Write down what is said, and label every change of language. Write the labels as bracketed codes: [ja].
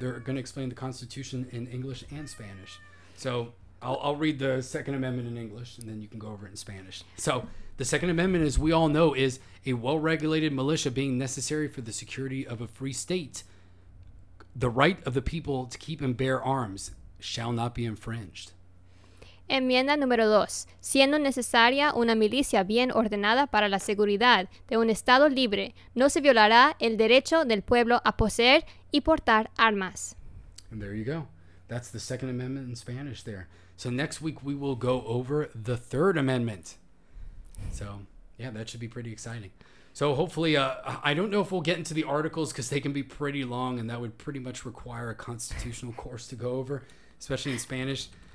[en] They're going to explain the Constitution in English and Spanish. So I'll read the Second Amendment in English, and then you can go over it in Spanish. So the Second Amendment, as we all know, is a well-regulated militia being necessary for the security of a free state. The right of the people to keep and bear arms shall not be infringed. [es] Enmienda número dos. Siendo necesaria una milicia bien ordenada para la seguridad de un Estado libre, no se violará el derecho del pueblo a poseer y portar armas. [en] And there you go. That's the Second Amendment in Spanish there. So next week we will go over the Third Amendment. So, yeah, that should be pretty exciting. So hopefully, I don't know if we'll get into the articles because they can be pretty long, and that would pretty much require a constitutional course to go over, especially in Spanish.